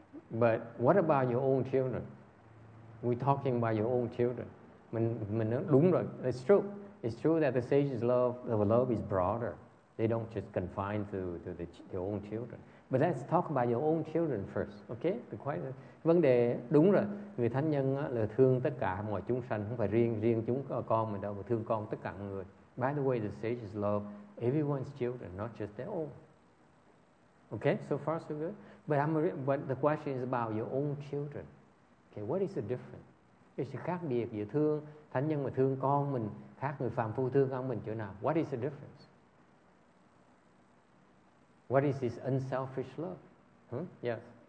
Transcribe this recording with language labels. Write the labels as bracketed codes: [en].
[en] But what about your own children? We're talking about your own children. [vi] Mình đúng rồi. [en] It's true. It's true that the sages love, the love is broader. They don't just confine to the their own children. But let's talk about your own children first, okay? The question. [vi] Vấn đề đúng rồi. Người thánh nhân là thương tất cả mọi chúng sanh, không phải riêng chúng con mình đâu, mà thương con tất cả người. [en] By the way, the sages love everyone's children, not just their own. Okay, so far so good. But the question is about your own children. Okay, what is the difference? Is it [vi] khác biệt giữa thương thánh nhân mà thương con mình khác người phàm phu thương con mình chỗ nào? [en] What is the difference? What is this unselfish love? Hmm? Yes.